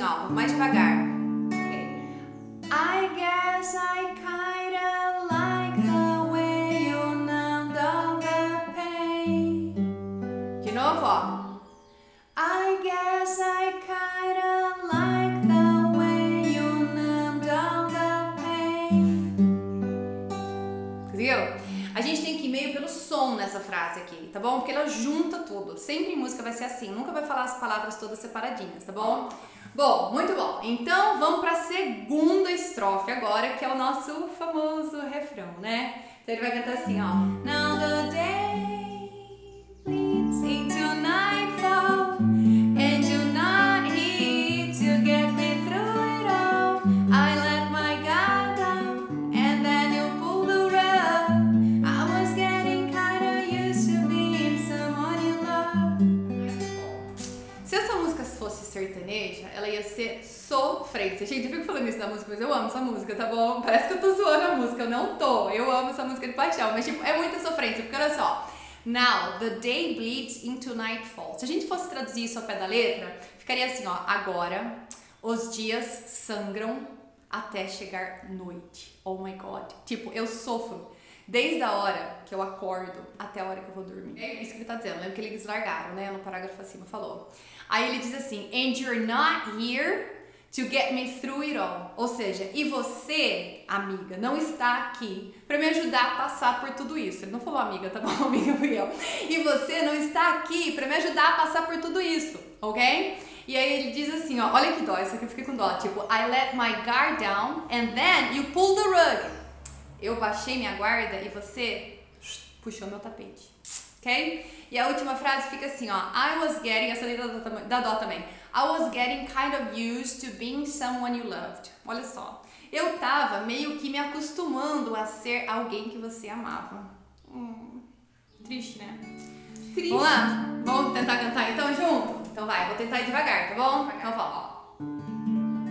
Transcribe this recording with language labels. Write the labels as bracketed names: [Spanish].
[Portuguese] Mais devagar. Okay. [English] I guess I kinda like the way you numbed all the pain. [Portuguese] De novo, ó. [English] I guess I kinda like the way you numbed all the pain. [Portuguese] Viu? A gente tem que ir meio pelo som nessa frase aqui, tá bom? Porque ela junta tudo. Sempre em música vai ser assim. Nunca vai falar as palavras todas separadinhas, tá bom? Bom, muito bom. Então, vamos para a segunda estrofe agora, que é o nosso famoso refrão, né? Então, ele vai cantar assim, ó. [English] Now the day leads into nightfall and you're not here to get me through it all. I let my guard down and then you pulled the rug. I was getting kind of used to being someone you love. [Portuguese] Se essa música fosse sertaneja, ia ser sofrência. Gente, eu fico falando isso da música, mas eu amo essa música, tá bom? Parece que eu tô zoando a música, eu não tô. Eu amo essa música de paixão, mas tipo, é muita sofrência, porque olha só. [English] Now, the day bleeds into nightfall. [Portuguese] Se a gente fosse traduzir isso ao pé da letra, ficaria assim, ó. Agora, os dias sangram até chegar noite. [English] Oh my God. [Portuguese] Tipo, eu sofro desde a hora que eu acordo até a hora que eu vou dormir. É isso que ele tá dizendo. Lembra que eles largaram, né? No parágrafo acima falou. Aí ele diz assim, [English] and you're not here to get me through it all. [Portuguese] Ou seja, e você, amiga, não está aqui pra me ajudar a passar por tudo isso. Ele não falou amiga, tá bom, amiga, fui eu. E você não está aqui pra me ajudar a passar por tudo isso, ok? E aí ele diz assim, ó, olha que dó, isso aqui eu fiquei com dó. [English] Tipo, I let my guard down and then you pull the rug. [Portuguese] Eu baixei minha guarda e você puxou meu tapete. Ok? E a última frase fica assim, ó. [English] I was getting, [Portuguese] essa letra dá dó também. [English] I was getting kind of used to being someone you loved. [Portuguese] Olha só. Eu tava meio que me acostumando a ser alguém que você amava. Triste, né? Triste. Vamos lá? Vamos tentar cantar então junto? Então vai, vou tentar ir devagar, tá bom? Então vamos, ó.